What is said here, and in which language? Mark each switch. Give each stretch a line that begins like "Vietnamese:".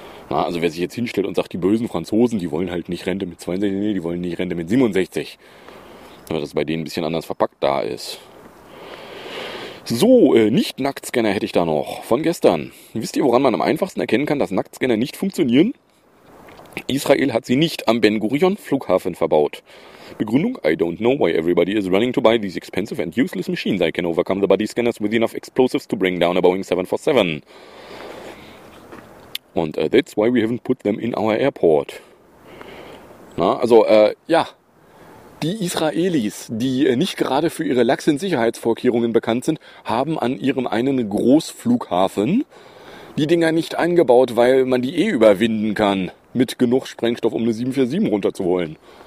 German: Na, also wer sich jetzt hinstellt und sagt, die bösen Franzosen, die wollen halt nicht Rente mit 62, nee, die wollen nicht Rente mit 67. Nur, dass bei denen ein bisschen anders verpackt da ist. So, Nicht-Nacktscanner hätte ich da noch von gestern. Wisst ihr, woran man am einfachsten erkennen kann, dass Nacktscanner nicht funktionieren? Israel hat sie nicht am Ben-Gurion-Flughafen verbaut. Begründung?
English: I don't know why everybody is running to buy these expensive and useless machines. I can overcome the body scanners with enough explosives to bring down a Boeing 747. And that's why we haven't put them in our airport.
German: Na, also, ja. Die Israelis, die nicht gerade für ihre laxen Sicherheitsvorkehrungen bekannt sind, haben an ihrem einen Großflughafen die Dinger nicht eingebaut, weil man die eh überwinden kann mit genug Sprengstoff, um eine 747 runterzuholen.